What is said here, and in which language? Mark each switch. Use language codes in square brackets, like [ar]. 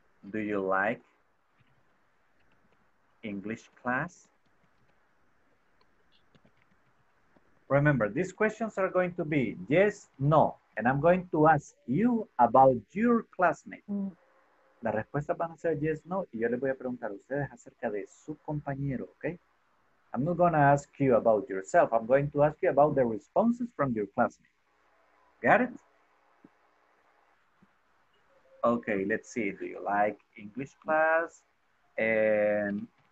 [en] Do you like English class? Remember, these questions are going to be yes, no. And I'm going to ask you about your classmate. [es] La respuesta van a ser yes, no. Y yo les voy a preguntar a ustedes acerca de su compañero, okay? [en] I'm not going to ask you about yourself. I'm going to ask you about the responses from your classmate. Got it? Okay, let's see. Do you like English class? And